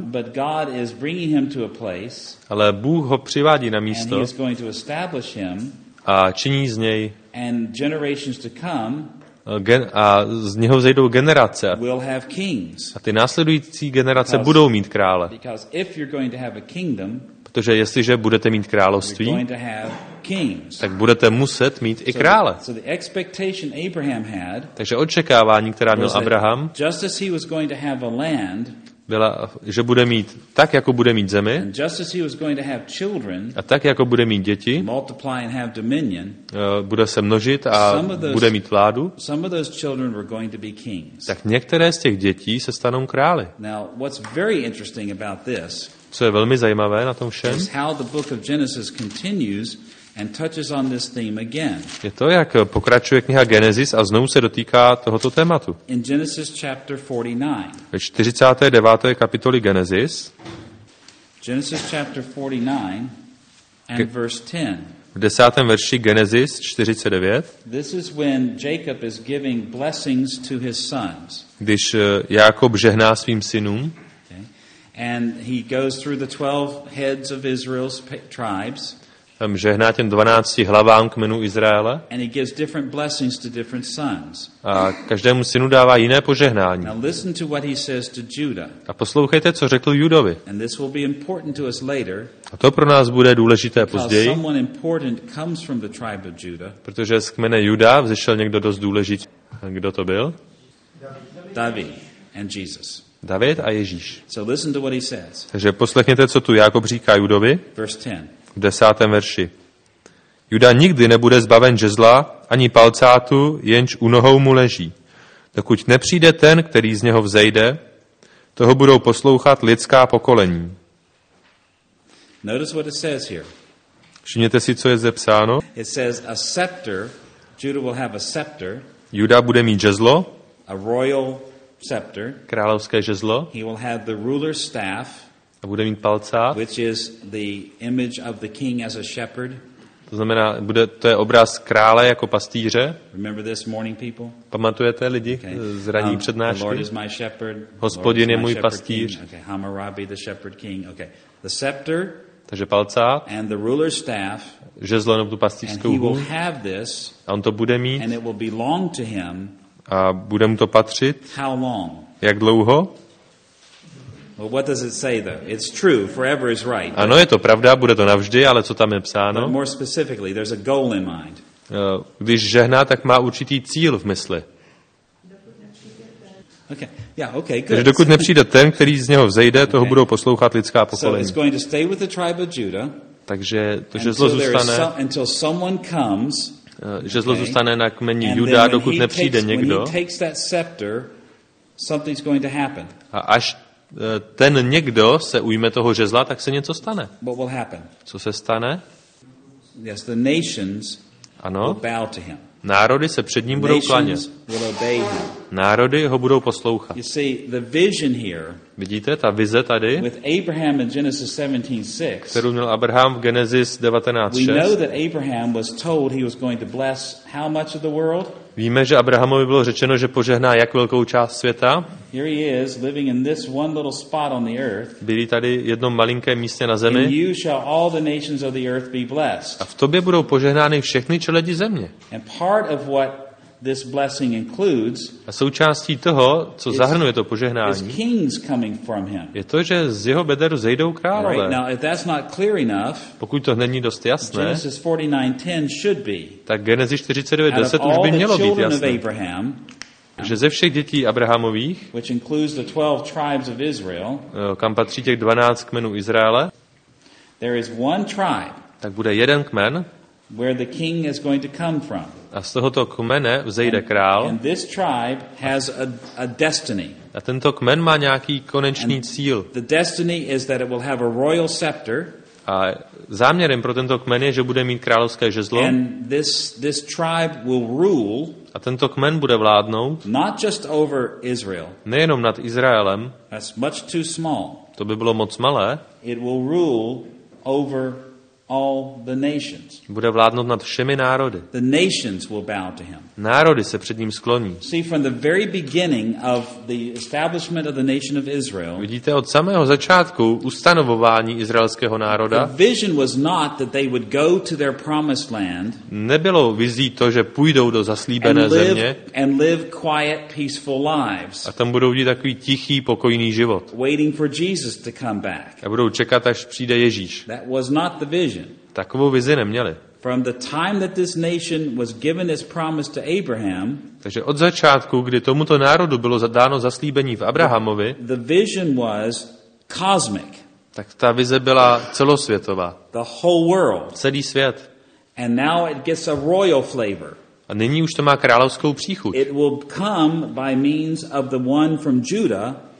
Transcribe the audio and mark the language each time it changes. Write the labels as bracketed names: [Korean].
[English] but God is bringing him to a place, [Czech] ale Bůh ho přivádí na místo [English] and he is going to establish him, [Czech] a činí z něj [English] and generations to come, [Czech] a z něho vzejdou generace [English] will have kings, [Czech] a ty následující generace [English] because, [Czech] budou mít krále. [English] Because if you're going to have a kingdom, [Czech] protože jestliže budete mít království, [English] you're going to have kings, [Czech] tak budete muset mít i krále. [English] So the expectation Abraham had, [Czech] takže očekávání, která měl Abraham, [English] just as he was going to have a land, [Czech] byla, že bude mít tak, jako bude mít zemi, [English] and just as he was going to have children, [Czech] a tak, jako bude mít děti, [English] multiply and have dominion, [Czech] bude se množit a bude mít vládu, [English] some of those children were going to be kings. [Czech] Tak některé z těch dětí se stanou krály. [English] Now, what's very interesting about this, [Czech] co je velmi zajímavé na tom všem, [English] is how the book of Genesis continues and touches on this theme again. [Czech] Je to, jak pokračuje kniha Genesis a znovu se dotýká tohoto tématu. [English] In Genesis chapter 49. [Czech] Ve 49. kapitoli Genesis. [English] Genesis chapter 49 and verse 10. [Czech] V 10. verši Genesis 49. [English] This is when Jacob is giving blessings to his sons. [Czech] Když Jakob žehná svým synům. [English] Okay. And he goes through the 12 heads of Israel's tribes. [Czech] Žehná těm 12 hlavám kmenu Izraele. [English] And he gives different blessings to different sons. [Czech] A každému synu dává jiné požehnání. [English] Now listen to what he says to Judah. [Czech] A poslouchejte, co řekl Judovi. [English] And this will be important to us later. [Czech] A to pro nás bude důležité později. [English] Because someone important comes from the tribe of Judah. [Czech] Protože z kmene Juda vzešel někdo dost důležitý. Kdo to byl? [English] David and Jesus. [Czech] David a Ježíš. [English] So listen to what he says. [Czech] Takže poslechněte, co tu Jakob říká Judovi. [English] Verse 10. [Czech] V 10. verši. Juda nikdy nebude zbaven žezla ani palcátu, jenž u nohou mu leží. Dokud nepřijde ten, který z něho vzejde, toho budou poslouchat lidská pokolení. [English] Notice what it says here. [Czech] Všimněte si, co je zde psáno. [English] It says a scepter. Judah will have a scepter. [Czech] Juda bude mít žezlo. [English] A royal scepter. [Czech] Královské žezlo. [English] He will have the ruler's staff. [Czech] A bude mít palcát. [English] Which is the image of the king as a shepherd. [Czech] To znamená, bude, to je obraz krále jako pastýře. [English] Remember this morning, people? [Czech] Pamatujete lidi z ranní přednášky? [English] The Lord is my shepherd. [Czech] Hospodin je můj pastýř. [English] Okay, Hammurabi, the shepherd king. Okay, the scepter. [Czech] Takže palcát. [English] And the ruler's staff. [Czech] Žezlo nebo tu pastýřskou hůl. [English] And he will have this. [Czech] A on to bude mít. [English] And it will belong to him. [Czech] A bude mu to patřit. [English] How long? [Czech] Jak dlouho? [English] Well, what does it say though? It's true, forever is right. [Czech] Ano, je to pravda, bude to navždy, ale co tam je psáno? [English] But more specifically, there's a goal in mind. [Czech] Když žehná, tak má určitý cíl v mysli. [English] Okay. Yeah, okay, good. [Czech] Takže dokud nepřijde ten, který z něho vzejde, toho [English] okay. [Czech] budou poslouchat lidská pokolení. [English] So it's going to stay with the tribe of Judah. [Czech] Takže to žezlo zůstane. [English] Until someone comes, [Czech] žezlo [English] okay. [Czech] zůstane na kmeni Juda, dokud nepřijde [English] takes, [Czech] někdo. [English] When he takes that scepter, something's going to happen. [Czech] A až ten někdo se ujme toho žezla, tak se něco stane. [English] What will happen? [Czech] Co se stane? [English] Yes, the nations [Czech] ano. [English] will bow to him. [Czech] Národy se před ním budou klanět. [English] Will obey him. [Czech] Národy ho budou poslouchat. [English] You see, the vision here, [Czech] vidíte, ta vize tady, [English] with Abraham in Genesis 17:6, [Czech] kterou měl Abraham v Genesis 19:6. [English] We know that Abraham was told he was going to bless how much of the world? [Czech] Víme, že Abrahamovi bylo řečeno, že požehná jak velkou část světa. [English] Here he is, living in this one little spot on the earth. [Czech] Bydlí tady jednom malinkém místě na zemi. [English] And you shall all the nations of the earth be blessed. [Czech] A v tobě budou požehnány všechny čeledi země. [English] And part of what this blessing includes. [Czech] A součástí toho, co zahrnuje to požehnání, [English] is kings coming from him. [Czech] Je to, že z jeho bederu zejdou králové. [English] Right. Now, if that's not clear enough, [Czech] pokud to není dost jasné, [English] Genesis 49:10 should be. [Czech] Tak Genesis 49:10 už by mělo být jasné. [English] Of Abraham, [Czech] že ze všech dětí Abrahamových, [English] which includes the 12 tribes of Israel, [Czech] kam patří těch 12 kmenů Izraele, [English] there is one tribe, [Czech] tak bude jeden kmen, [English] where the king is going to come from. [Czech] A z tohoto kmene vzejde král. [English] And this tribe has a destiny. [Czech] A tento kmen má nějaký konečný cíl. [English] The destiny is that it will have a royal scepter. [Czech] A záměrem pro tento kmen je, že bude mít královské žezlo. [English] And this tribe will rule. [Czech] A tento kmen bude vládnout. [English] Not just over Israel. [Czech] Nejenom nad Izraelem. [English] That's much too small. [Czech] To by bylo moc malé. [English] It will rule over all the nations. [Czech] Bude vládnout nad všemi národy. [English] The nations will bow to him. [Czech] Národy se před ním skloní. [English] See, from the very beginning of the establishment of the nation of Israel. [Czech] Vidíte, od samého začátku ustanovování izraelského národa. [English] The vision was not that they would go to their promised land. [Czech] Nebylo vizí to, že půjdou do zaslíbené země. [English] And live quiet, peaceful lives. [Czech] A tam budou žít takový tichý, pokojný život. [English] Waiting for Jesus to come back. [Czech] A budou čekat, až přijde Ježíš. [English] That was not the vision. [Czech] Takovou vizi neměli. [English] From the time that this nation was given its promise to Abraham, [Czech] takže od začátku, kdy tomuto národu bylo zadáno zaslíbení v Abrahamovi, [English] the vision was cosmic. [Czech] Tak ta vize byla celosvětová. [English] The whole world. [Czech] Celý svět. [English] And now it gets a royal flavor. [Czech] A nyní už to má královskou příchuť. [English] It will come by means of the one from Judah.